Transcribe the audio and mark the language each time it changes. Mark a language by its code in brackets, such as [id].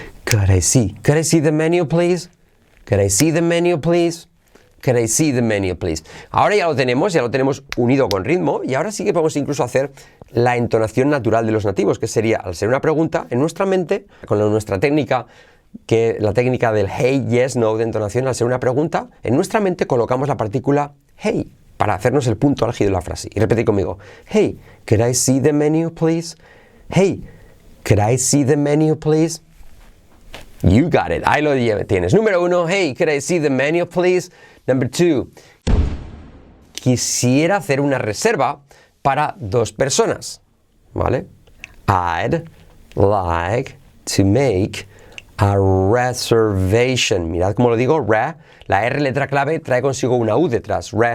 [en] Could I see the menu, please? Could I see the menu, please? Could I see the menu, please? [es] Ahora ya lo tenemos unido con ritmo y ahora sí que podemos incluso hacer la entonación natural de los nativos, que sería, al ser una pregunta, en nuestra mente, con nuestra técnica, que la técnica del hey, yes, no, de entonación, al ser una pregunta, en nuestra mente colocamos la partícula hey, para hacernos el punto álgido de la frase. Y repetid conmigo, [en] hey, could I see the menu, please? Hey, could I see the menu, please? You got it, [es] ahí lo tienes. Número uno, [en] hey, could I see the menu, please? Number two, [es] quisiera hacer una reserva para dos personas, ¿vale? [en] I'd like to make a reservation. [es] Mirad cómo lo digo, re, la R letra clave trae consigo una U detrás.